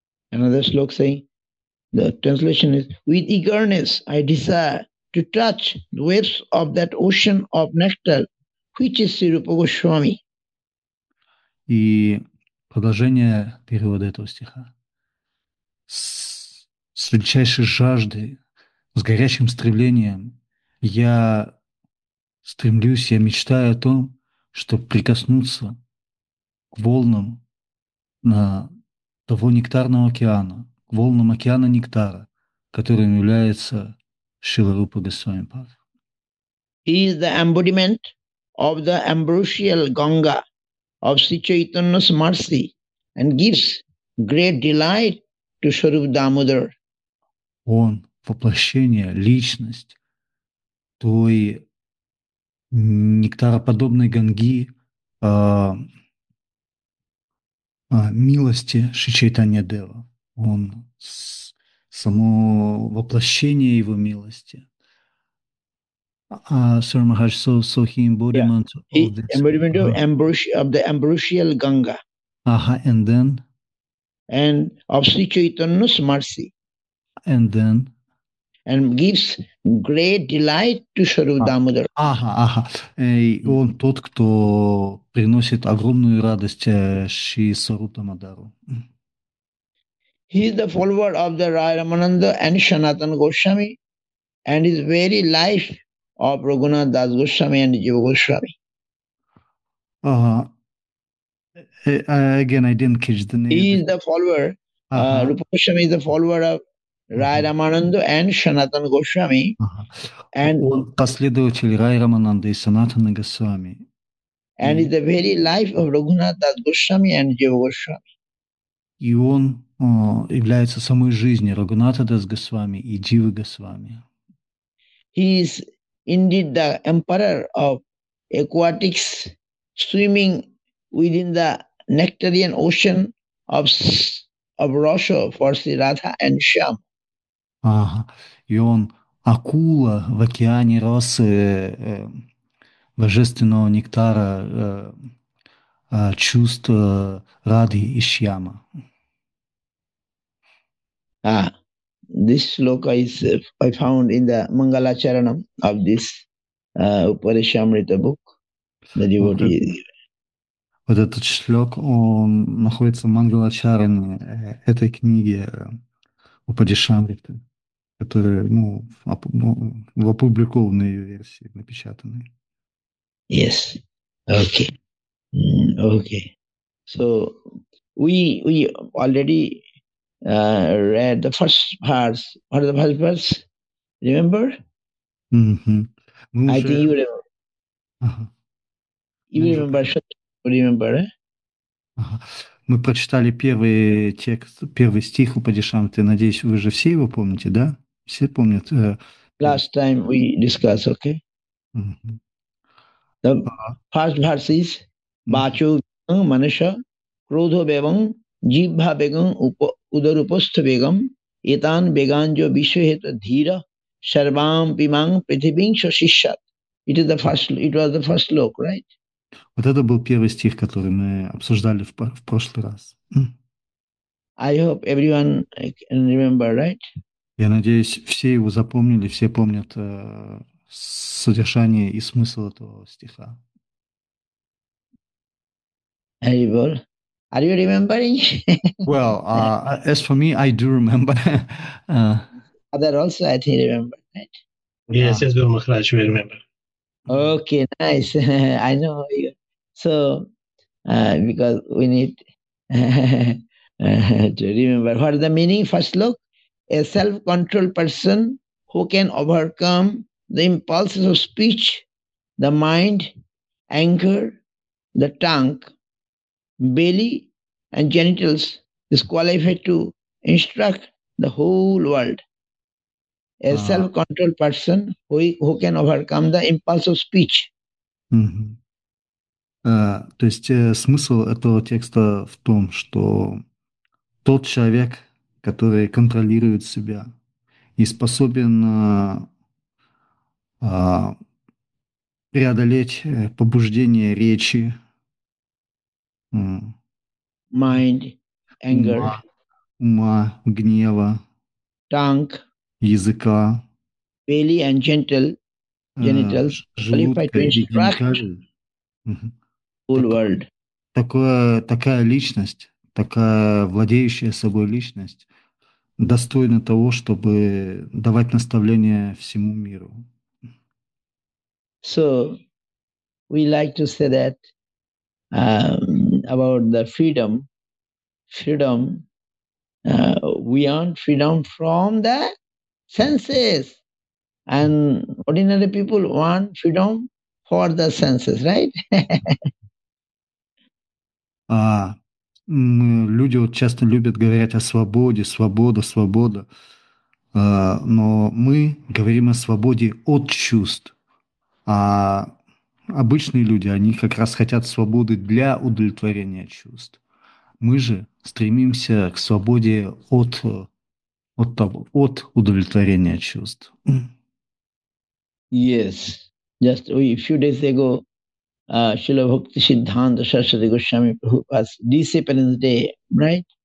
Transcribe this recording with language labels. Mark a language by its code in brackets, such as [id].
[en] Another slok saying, the translation is, with eagerness I desire to touch the waves of that ocean of nectar, which is Sri Rupa Goswami. [ru] И продолжение перевода этого стиха. С величайшей жаждой, с горячим стремлением я стремлюсь, я мечтаю о том, чтобы прикоснуться к волнам на того нектарного океана, к волнам океана нектара, которым является Шрила Рупа Госвами Пад. [en] He is the embodiment of the ambrosial Ganga of Sri Chaitanya's mercy and gives great delight to Swarup Damodar. [ru] Он воплощение, личность той нектароподобной Ганги, милости Шри Чайтанья Дева. Он само воплощение его милости. [en] Sir Mahaj, so he embodiment yeah. of this. Embodiment of the ambrosial Ganga. Aha, and then? And of Sri Chaitanya's mercy. And then? And gives great delight to Swarup Damodar. Aha, aha. [ru] Он тот, кто приносит огромную радость Шри Сварупа Дамодару. [en] He is the follower of the Рай Рамананда and Санатана Госвами, and his very life of Рагунат Дас Госвами and Джива Госвами. Again, I didn't catch the name. He is the follower. Rupa Goswami is the follower of Рай Рамананда and Санатана Госвами. And [ru] он последователь Рай Рамананда и Санатана Госвами. [en] And is the very life of Рагунат Дас Госвами and Джива Госвами. [ru] И он является самой жизнью Рагуната Дас Госвами и Дживы Госвами. [en] He is indeed the emperor of aquatics, swimming within the nectarian ocean of Rasa for Sri Radha and Shyam. Ага. [ru] И он акула в океане росы божественного нектара чувств Рады и Шьяма. [en] This sloka is I found in the Mangala Charanam of this Upanishamrita book. The devotee. [ru] Вот этот шлёк, он находится в Мангала Чаране этой книги Упадишамриты, которая, в опубликованной ее версии, напечатанной. [en] Yes. Okay. Okay. So we already read the first verse. What is the first verse? Remember? Mm-hmm. I think you remember. Uh-huh. You remember, remember, eh? [ru] Мы прочитали первый текст, первый стих Упадишамриты. Надеюсь, вы же все его помните, да? Все помнят. [en] Last time we discussed, okay? Mm-hmm. [sa] The first verse is Bacho Vyam Manasha Krodho Vyam Jibha Vyam Udarupastha Vyam Etan Vyamjo Vishweta Dhira Sarvam Pimam Prithibing Shashishat. [en] It is the first, it was the first look, right? [ru] Вот это был первый стих, который мы обсуждали в прошлый раз. [en] I hope everyone can remember, right? [ru] Я надеюсь, все его запомнили, все помнят содержание и смысл этого стиха. [en] Are you, well, are you remembering? Well, as for me, I do remember. Other also, I think, remember, right? Yes, yes, Guru Maharaj, we remember. Okay, nice. I know you. So, because we need to remember. What is the meaning? First look, a self-controlled person who can overcome the impulses of speech, the mind, anger, the tongue, belly, and genitals, is qualified to instruct the whole world. A self-controlled person who can overcome the impulse of speech. [ru] То есть смысл этого текста в том, что тот человек, который контролирует себя и способен преодолеть побуждение речи, [en] mind, anger, [ru] ума, гнева, [en] tongue, [ru] языка, [en] belly and gentle, genitals, [ru] желудка [en] to [ru] и гениталии. Такая личность, такая владеющая собой личность, достойна того, чтобы давать наставления всему миру. [en] So, we like to say that about the freedom. Freedom, we want freedom from the senses. And ordinary people want freedom for the senses, right? [ru] Люди вот часто любят говорить о свободе, свобода, свобода. Но мы говорим о свободе от чувств. А обычные люди, они как раз хотят свободы для удовлетворения чувств. Мы же стремимся к свободе от удовлетворения чувств. [en] Yes, just a few days ago, Srila Bhakti Siddhanta Saraswati Goswami Prabhupada's Disappearance Day, right?